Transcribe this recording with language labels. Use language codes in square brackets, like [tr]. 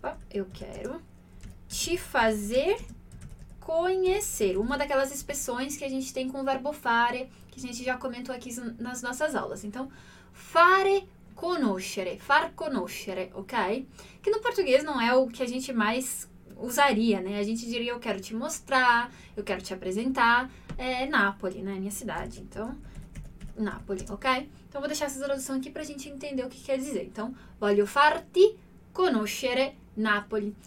[pt] Eu quero te fazer conhecer. Uma daquelas expressões que a gente tem com o verbo fare, que a gente já comentou aqui nas nossas aulas. [it] Então, fare conoscere, far conoscere, ok? [pt] Que no português não é o que a gente mais usaria, né? A gente diria, eu quero te mostrar, eu quero te apresentar, é Nápoles, né? Minha cidade, então, Nápoles, ok? Então, vou deixar essa tradução aqui pra gente entender o que quer dizer. [it] Então, voglio farti conoscere Nápoles.